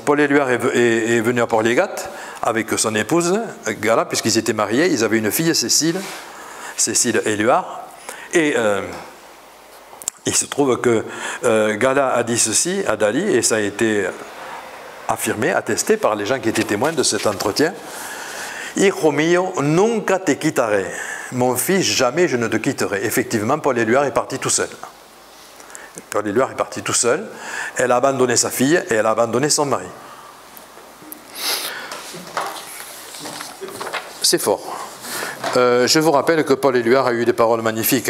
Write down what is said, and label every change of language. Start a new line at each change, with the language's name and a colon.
French: Paul Éluard est venu à Port-Légat avec son épouse, Gala, puisqu'ils étaient mariés. Ils avaient une fille, Cécile Éluard. Et il se trouve que Gala a dit ceci à Dali, et ça a été affirmé, attesté par les gens qui étaient témoins de cet entretien.
Spanish: « Hijo mio, nunca te quitaré.
French: Mon fils, jamais je ne te quitterai. » Effectivement, Paul Éluard est parti tout seul. Paul Éluard est parti tout seul. Elle a abandonné sa fille et elle a abandonné son mari. C'est fort. Je vous rappelle que Paul Éluard a eu des paroles magnifiques.